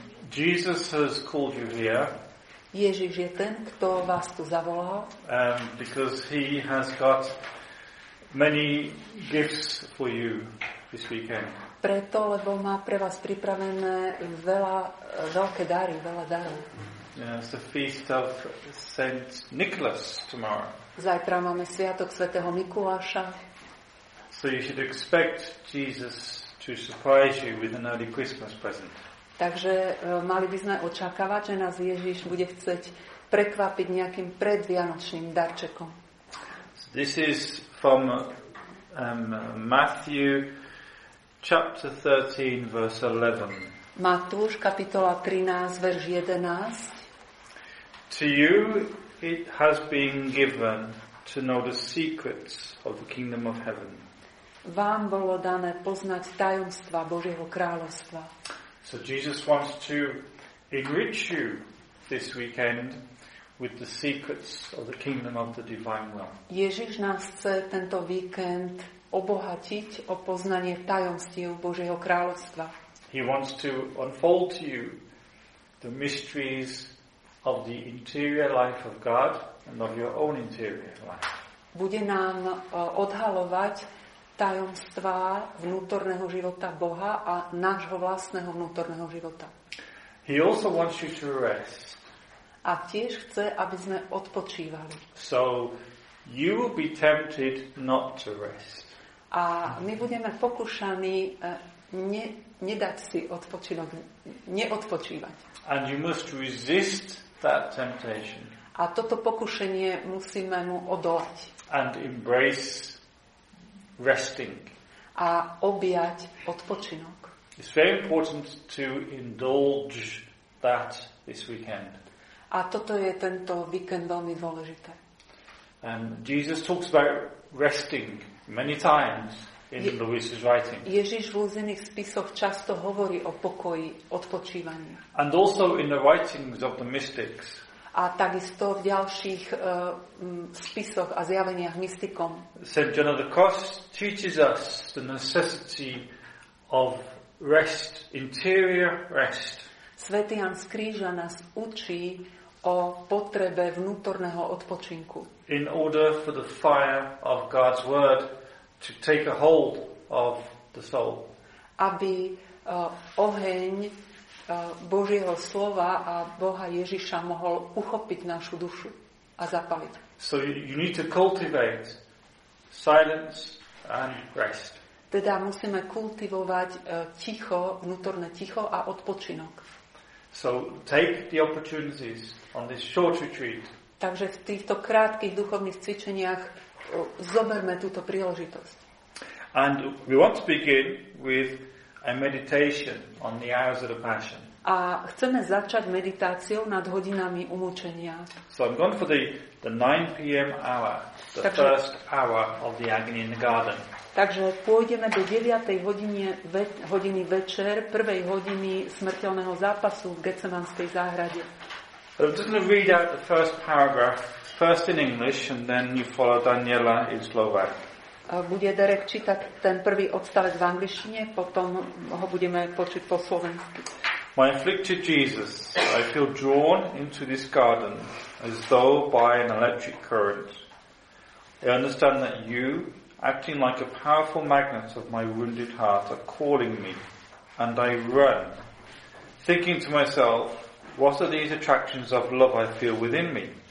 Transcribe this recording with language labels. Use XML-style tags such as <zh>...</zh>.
<en>Jesus has called you here.</en> <sk>Ježiš je ten, kto vás tu zavolal.</sk> <en>Because he has got many gifts for you this weekend.</en> <sk>Preto, lebo má pre vás pripravené veľké dary, veľa darov.</sk> <en>It's the feast of Saint Nicholas tomorrow.</en> <sk>Zajtra máme sviatok svätého Mikuláša.</sk> <en>So you should expect Jesus to surprise you with an early Christmas present.</en> <sk>Takže mali by sme očakávať, že nás Ježiš bude chcieť prekvapiť nejakým predvianočným darčekom.</sk> <en>This is from Matthew chapter 13 verse 11.</en> <sk>Matúš kapitola 13 verš 11.</sk> <en>To you it has been given to know the secrets of the kingdom of heaven.</en> <sk>Vám bolo dané poznať tajomstva Božieho kráľovstva.</sk> <en>So Jesus wants to enrich you this weekend with the secrets of the kingdom of the divine will.</en> <sk>Ježiš nás chce tento víkend obohatiť o poznanie tajomstiev Božieho kráľovstva.</sk> <en>He wants to unfold to you the mysteries of the interior life of God and of your own interior life.</en> <sk>Bude nám odhalovať tajomstvá vnútorného života Boha a nášho vlastného vnútorného života.</sk> <en>He also wants you to rest.</en> <sk>A tiež chce, aby sme odpočívali.</sk> <en>So you will be tempted not to rest.</en> <sk>A my budeme pokúšaní nedať si odpočinok, neodpočívať.</sk> <en>And you must resist that temptation.</en> <sk>A toto pokušenie musíme mu odolať.</sk> <en>And embrace resting.</en> <sk>A objať odpočinok.</sk> <en>It's very important to indulge that this weekend.</en> <sk>A toto je tento víkend veľmi dôležité.</sk> <en>Jesus talks about resting many times in Lewis's writing.</en> <sk>Ježiš v Lewisových spisoch často hovorí o pokoji, odpočívaní.</sk> <en>And also in the writings of the mystics.</en> <sk>A takisto v ďalších spisoch a zjaveniach mystikom.</sk> <en>St. John of the Cross teaches us the necessity of rest, interior rest.</en> <sk>Svätý Ján z Kríža nás učí o potrebe vnútorného odpočinku.</sk> <en>In order for the fire of God's word to take a hold of the soul.</en> <sk>Aby oheň Božieho slova a Boha Ježiša mohol uchopiť našu dušu a zapaliť.</sk> <en>So you need to cultivate silence and rest.</en> <sk>Teda musíme kultivovať ticho, vnútorné ticho a odpočinok.</sk> <en>So take the opportunities on this short retreat.</en> <sk>Takže v týchto krátkych duchovných cvičeniach zoberme túto príležitosť.</sk> <en>And we want to begin with a meditation on the hours of the passion.</en> <sk>A chceme začať meditáciou nad hodinami umučenia.</sk> <en>So I'm going for the 9 p.m. hour, the takže, first hour of the agony in the garden.</en> <sk>Takže pôjdeme do 9. hodiny večer, prvej hodiny smrteľného zápasu v Getsemanskej záhrade.</sk> <en>I'm just going to read out the first paragraph, first in English, and then you follow Daniela in Slovak.</en> <sk>Bude Derek čítať ten prvý odstavec v angličtine, potom ho budeme počuť po slovensky.</sk> <en>My afflicted Jesus, I feel drawn into this garden as though by an electric current. I understand that you, acting like a powerful magnet of my wounded heart, are calling me, and I run, thinking to myself, what are these attractions of love I feel within me?</en>